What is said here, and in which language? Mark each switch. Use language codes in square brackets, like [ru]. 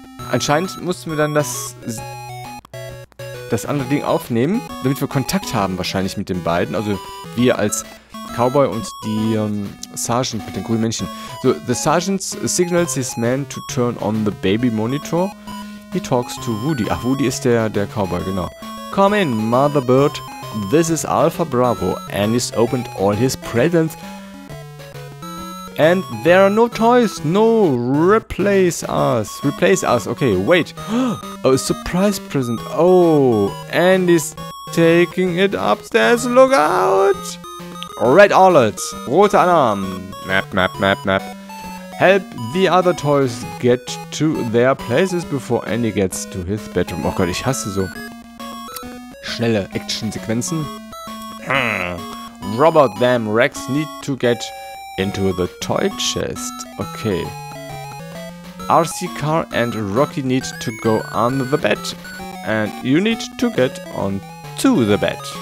[de] Anscheinend mussten wir dann das andere Ding aufnehmen, damit wir Kontakt haben wahrscheinlich mit den beiden. Also wir als Cowboy und die Sergeant mit den grünen Männchen. [en] So, the Sergeant signals his man to turn on the baby monitor. He talks to Woody. [de] Ach, Woody ist der Cowboy, genau. [en] Come in, Mother Bird. This is Alpha Bravo. Andy's opened all his presents. And there are no toys. No, replace us. Replace us. Okay, wait. Oh, a surprise present. Oh, Andy's taking it upstairs. Look out. Red alerts. [de] Rote Alarm. [en] Map, map, map, map. Help the other toys get to their places before Andy gets to his bedroom. [de] Oh Gott, ich hasse so schnelle Action-Sequenzen. [en] Robert them Rex need to get into the toy chest. Okay. RC Car and Rocky need to go under the bed. And you need to get on to the bed.